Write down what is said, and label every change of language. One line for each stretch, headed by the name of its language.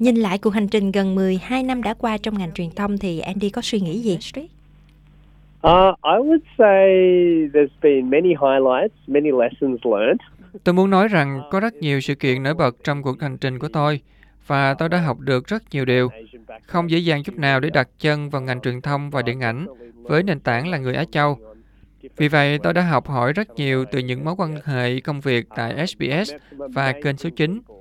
Vietnamese: Nhìn lại cuộc hành trình gần 12 năm đã qua trong ngành truyền thông thì Andy có suy nghĩ gì?
English: I would say there's been many highlights, many lessons learned.
Vietnamese: Tôi muốn nói rằng có rất nhiều sự kiện nổi bật trong cuộc hành trình của tôi và tôi đã học được rất nhiều điều. Không dễ dàng chút nào để đặt chân vào ngành truyền thông và điện ảnh với nền tảng là người Á Châu. Vì vậy, tôi đã học hỏi rất nhiều từ những mối quan hệ công việc tại SBS và kênh số 9.